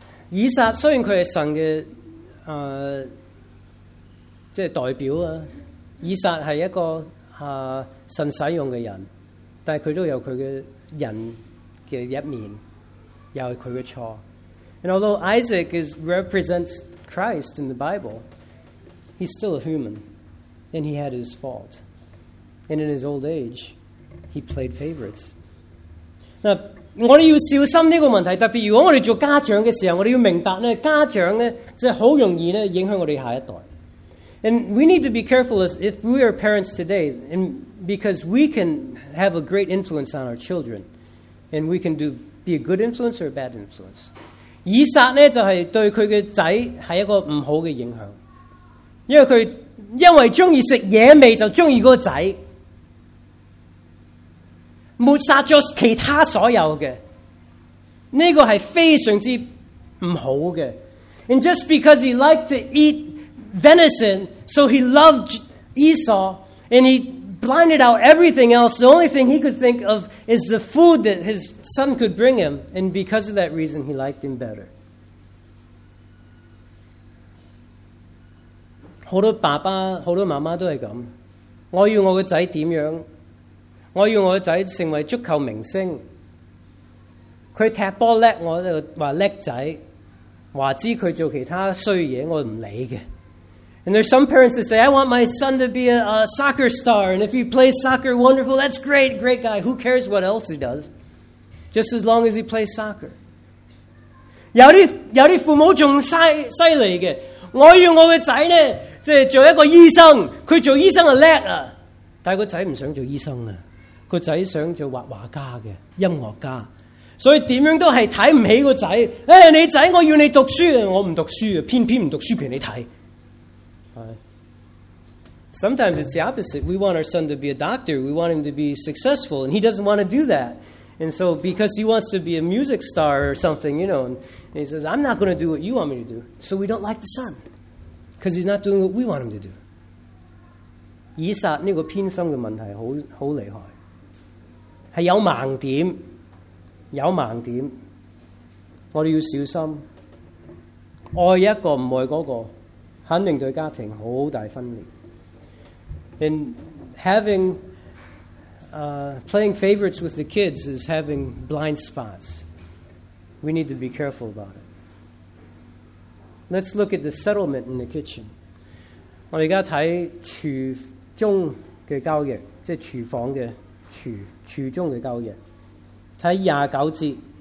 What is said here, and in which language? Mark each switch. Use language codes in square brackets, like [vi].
[zh] 以撒虽然他是神的即是代表啊，以撒是一个神使用的人，但是他都有他的人的一面，有他的错。 [en] And although Isaac represents Christ in the Bible, he's still a human, and he had his fault. And in his old age, he played favorites. [zh] 那我们要小心这个问题，特别如果我们做家长的时候，我们要明白呢，家长呢，就很容易呢，影响我们下一代。 [en] And we need to be careful if we are parents today, and because we can have a great influence on our children, and we can be a good influence or a bad influence. [zh] 以撒呢，就是对他的仔是一个不好的影响。因为他，因为喜欢吃野味，就喜欢那个仔。抹杀了其他所有的，这个是非常之不好的。 [en] And just because he liked to eat venison, so he loved Esau, and he blinded out everything else, the only thing he could think of is the food that his son could bring him, and because of that reason he liked him better. [zh] 很多爸爸很多妈妈都是这样，我要我的仔怎样，我要我的仔成为足球明星，他踢球叻，我就话叻仔，话知佢做其他衰嘢，我唔理嘅。 [en] And there's some parents that say, I want my son to be a soccer star, and if he plays soccer, wonderful, that's great, great guy. Who cares what else he does? Just as long as he plays soccer. [zh] 有啲父母仲犀利嘅，我要我嘅仔呢，即系做一个医生，佢做医生就叻啊，但系个仔唔想做医生啊。个仔想做画画家嘅音乐家，所以点样都系睇唔起个仔。诶，你仔，我要你读书，我唔读书啊，偏偏唔读书俾你睇。 [en] Sometimes it's the opposite. We want our son to be a doctor. We want him to be successful, and he doesn't want to do that. And so, because he wants to be a music star or something, you know, and he says, "I'm not going to do what you want me to do." So we don't like the son because he's not doing what we want him to do. [zh] 以撒呢个偏心嘅问题好厉害。是有盲点，有盲点，我们要小心。爱一个不爱那个，肯定对家庭很大分裂。 [en] And having playing favorites with the kids is having blind spots. We need to be careful about it. Let's look at the settlement in the kitchen. [zh] 我们现在看厨中的教育,即是厨房的厨中的教育。看29节,